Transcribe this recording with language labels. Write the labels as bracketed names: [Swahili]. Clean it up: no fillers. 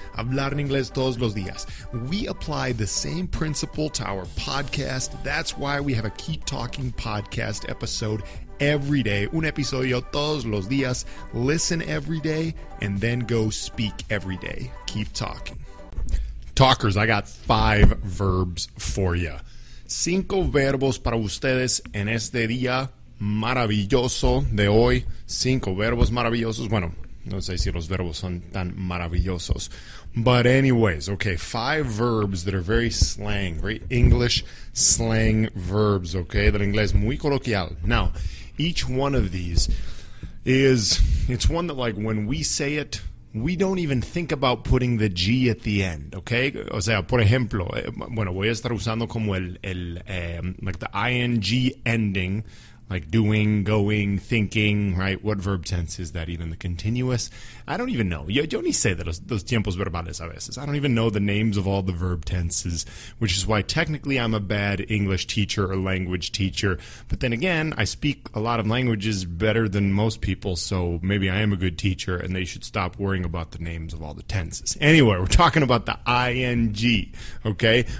[Spanish] Hablar en inglés todos los días. [English] We apply the same principle to our podcast. That's why we have a Keep Talking Podcast episode every day. [Spanish] Un episodio todos los días. [English] Listen every day and then go speak every day. Keep talking. Talkers, I got five verbs for you. [Spanish] Cinco verbos para ustedes en este día maravilloso de hoy. Cinco verbos maravillosos. Bueno, no sé si los verbos son tan maravillosos. [English] But anyways, okay, five verbs that are very slang, very English slang verbs, okay, [Spanish] del inglés muy coloquial. [English] Now, each one of these is, it's one that like when we say it, we don't even think about putting the G at the end, okay? [Spanish] O sea, por ejemplo, bueno, voy a estar usando como [English] like the ing ending, like doing, going, thinking, right? What verb tense is that even, the continuous? I don't even know. [Spanish] Yo ni sé de los tiempos verbales a veces. [English] I don't even know the names of all the verb tenses, which is why technically I'm a bad English teacher or language teacher. But then again, I speak a lot of languages better than most people, so maybe I am a good teacher and they should stop worrying about the names of all the tenses. Anyway, we're talking about the ing, okay?